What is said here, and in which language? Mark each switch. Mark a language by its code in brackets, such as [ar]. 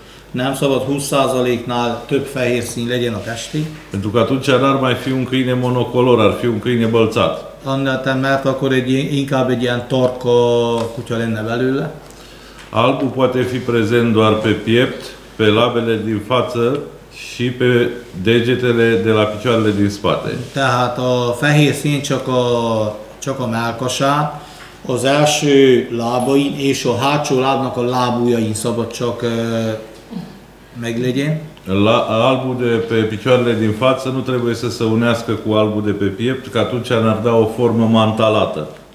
[hu] Nem szabad 20%-nál több fehér szín legyen a testi. [ro] Pentru că atunci n-ar mai fi un câine monocolor, ar fi un câine bălțat. [hu] Annetan, mert akkor egy, inkább egy ilyen tarka kutya lenne belőle. [ro] Albul poate fi prezent doar pe piept, pe labele din față și pe degetele de la picioarele din spate. [hu] Tehát a fehér szín csak a mellkasán, az első lábain és a hátsó lábnak a lábujjain szabad csak meglegyen. [ro] Albul de pe picioarele din față nu trebuie să se unească cu albul de pe piept, că atunci n-ar da o formă mantalată.